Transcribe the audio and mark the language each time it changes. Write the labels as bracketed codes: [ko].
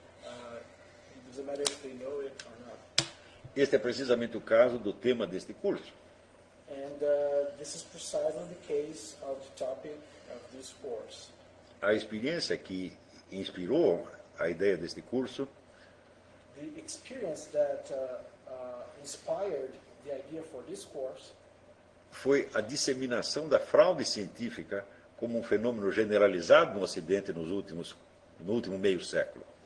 [en] It doesn't matter if they know it or not. [pt] Este é precisamente o caso do tema deste curso. [en] And this is precisely the case of the topic of this course. [pt] A experiência que inspirou a ideia deste curso. [en] The experience that inspired the idea for this course. [pt] Foi a disseminação da fraude científica como um fenômeno generalizado no Ocidente no último meio século.